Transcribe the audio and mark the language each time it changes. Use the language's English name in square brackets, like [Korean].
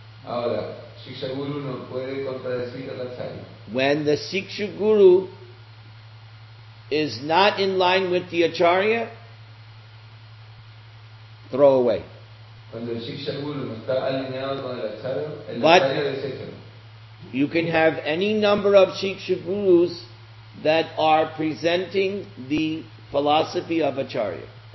[Spanish] Ahora, Shiksha Guru no puede contradecir al Acharya. [English] When the Shiksha Guru is not in line with the Acharya, throw away. [Spanish] Cuando el Shiksha Guru no está alineado con el Acharya, el Acharya desecha. [English] You can have any number of Shiksha Gurus that are presenting the philosophy of Acharya.